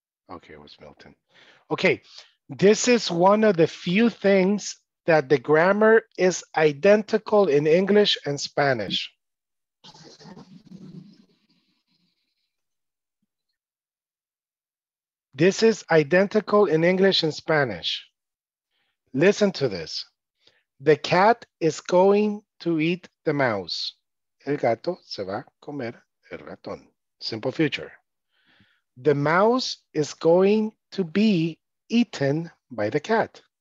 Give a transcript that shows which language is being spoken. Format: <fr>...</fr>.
<en>Okay, it was Milton. Okay, this is one of the few things that the grammar is identical in English and Spanish. This is identical in English and Spanish. Listen to this. The cat is going to eat the mouse.</en> <es>El gato se va a comer el ratón.</es> <en>Simple future. The mouse is going to be eaten by the cat.</en>